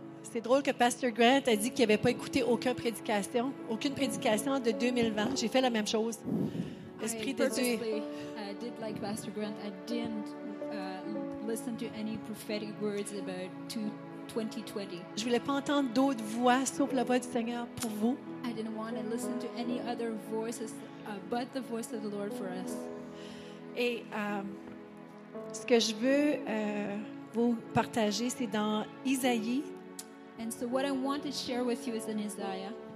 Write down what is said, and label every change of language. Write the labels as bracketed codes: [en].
[fr] C'est drôle que Pastor Grant a dit qu'il n'avait pas écouté aucune prédication de 2020. J'ai fait la même chose. L'Esprit de Dieu. [en] Did like Pastor Grant, I didn't listen to any prophetic words about 2020. [fr] Je voulais pas entendre d'autres voix sauf la voix du Seigneur pour vous. [en] I didn't want to listen to any other voices but the voice of the Lord for us. [fr] Et ce que je veux vous partager, c'est dans Isaïe. [en] And so what I want to share with you is in Isaiah